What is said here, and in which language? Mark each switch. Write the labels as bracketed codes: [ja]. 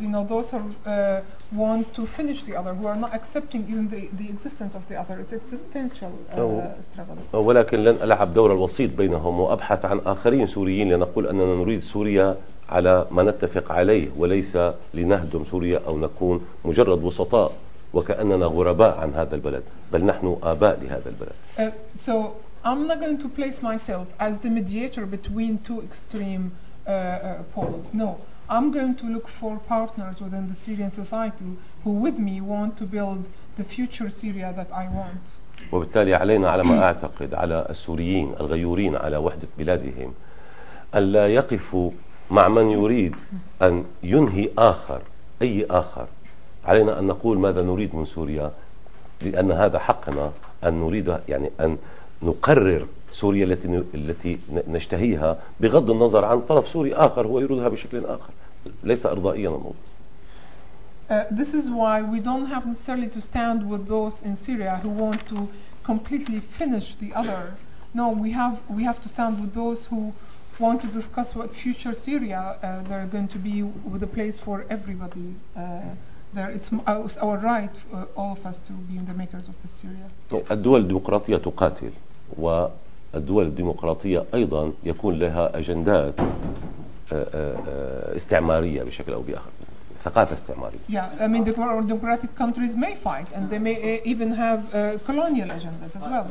[en] Those who want to finish the other, who are not accepting even the existence of the other. It's existential struggle. [ar] ولكن لن ألعب دور الوسيط بينهم وأبحث عن آخرين سوريين لنقول أننا نريد سوريا على ما نتفق عليه وليس لنهدم سوريا أو نكون مجرد وسطاء وكأننا غرباء عن هذا البلد، بل نحن آباء لهذا البلد. [en] So I'm not going to place myself as the mediator between two extreme poles. No, I'm going to look for partners within the Syrian society who, with me, want to build the future Syria that I want. [ar] وبالتالي علينا على ما أعتقد على السوريين الغيورين على وحدة بلادهم أن لا يقفوا مع من يريد أن ينهي آخر أي آخر. علينا أن نقول ماذا نريد من سوريا، لأن هذا حقنا أن نريد أن نقرر سوريا التي نشتهيها بغض النظر عن طرف سوري آخر هو يريدها بشكل آخر ليس أرضائيا الموضوع. [en] This is why we don't have necessarily to stand with those in Syria who want to completely finish the other. No, we have to stand with those who want to discuss what future Syria they're going to be with a place for everybody. It's our right, all of us, to be the makers of the Syria. [ar] الدول الديمقراطية تقاتل و الدول الديمقراطية أيضا يكون لها أجندات استعمارية بشكل أو بآخر، ثقافة استعمارية. [en] Yeah, I mean the democratic countries may fight and they may even have colonial agendas as well.